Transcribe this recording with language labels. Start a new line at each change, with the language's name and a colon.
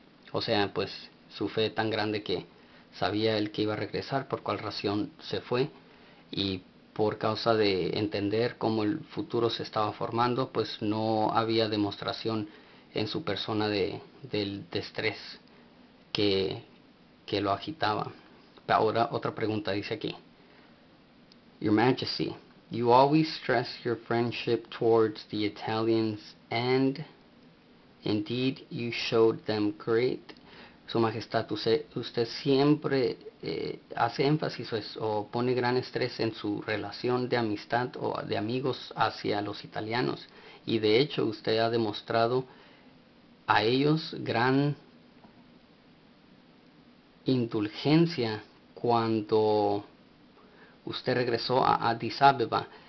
Spanish: O sea, pues su fe tan grande que sabía él que iba a regresar, por cuál razón se fue, y por causa de entender cómo el futuro se estaba formando, pues no había demostración en su persona de estrés que lo agitaba. Ahora otra pregunta dice aquí.
English: Your Majesty, you always stress your friendship towards the Italians and indeed you showed them great.
Spanish: Su Majestad, usted siempre hace énfasis o pone gran estrés en su relación de amistad o de amigos hacia los italianos. Y de hecho, usted ha demostrado a ellos gran indulgencia cuando usted regresó a Addis Abeba.